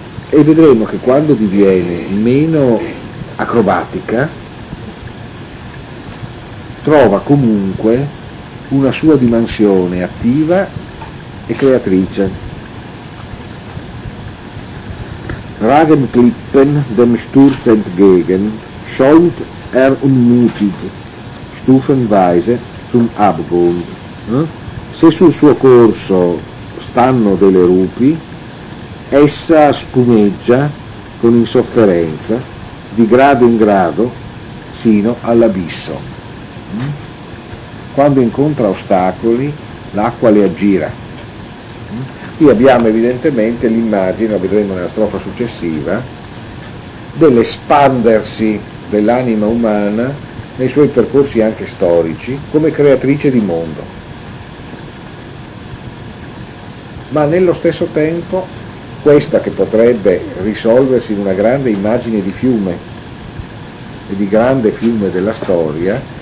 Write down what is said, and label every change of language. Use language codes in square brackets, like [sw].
[it] E vedremo che quando diviene meno acrobatica trova comunque una sua dimensione attiva e creatrice. [de] Ragen klippen dem Sturz entgegen schäumt unmutig stufenweise zum Abgrund. [it] Se sul suo corso stanno delle rupi, essa spumeggia con insofferenza di grado in grado sino all'abisso. Quando incontra ostacoli l'acqua le aggira. Qui abbiamo evidentemente l'immagine, la vedremo nella strofa successiva, dell'espandersi dell'anima umana nei suoi percorsi anche storici come creatrice di mondo, ma nello stesso tempo questa che potrebbe risolversi in una grande immagine di fiume e di grande fiume della storia